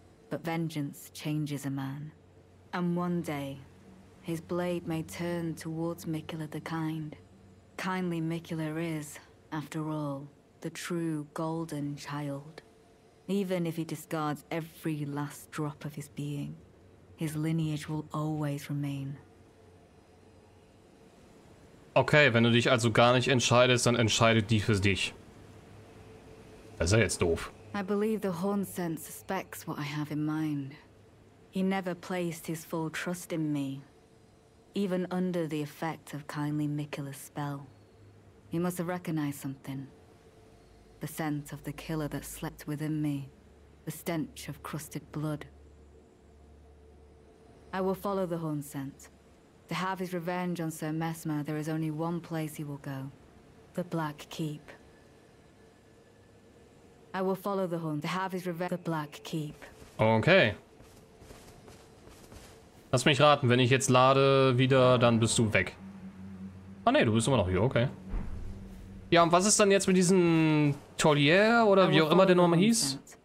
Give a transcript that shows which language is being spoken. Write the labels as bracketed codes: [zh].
[en] But vengeance changes a man. And one day, his blade may turn towards Mikola the Kind. Kindly Mikola is, after all, the true golden child. Even if he discards every last drop of his being, his lineage will always remain. [de] Okay, wenn du dich also gar nicht entscheidest, dann entscheidet die für dich. Das ist ja jetzt doof. [en] I believe the horn scent suspects what I have in mind. He never placed his full trust in me. Even under the effect of kindly Mikola's spell. He must have recognized something. The scent of the killer that slept within me. The stench of crusted blood. I will follow the horn scent. To have his revenge on Sir Mesmer, there is only one place he will go. The Black Keep. I will follow the horn to have his revenge. The Black Keep. Okay. [de] Lass mich raten, wenn ich jetzt lade wieder, dann bist du weg. Ah ne, du bist immer noch hier, okay. Ja, und was ist dann jetzt mit diesem Tollier oder wie auch immer der nochmal hieß?